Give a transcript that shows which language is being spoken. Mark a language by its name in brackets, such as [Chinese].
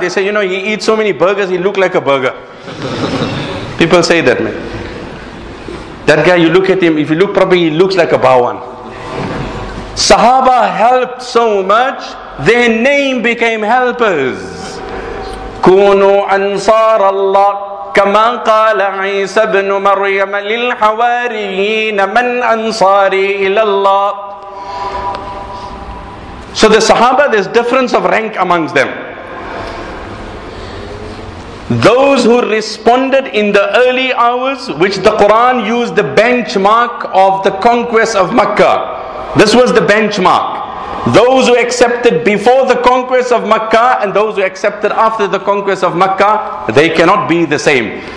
[English] They say, you know, he eats so many burgers, he looks like a burger. People say that, man. That guy, you look at him, if you look properly, he looks like a bawan. Sahaba helped so much, their name became helpers. [Arabic] كونوا أنصار الله كما قال عيسى بن مريم للحواريين من أنصاري إلى الله. [English] So the Sahaba, there's difference of rank amongst them. Those who responded in the early hours, which the Quran used the benchmark of the conquest of Makkah. This was the benchmark. Those who accepted before the conquest of Makkah and those who accepted after the conquest of Makkah, they cannot be the same.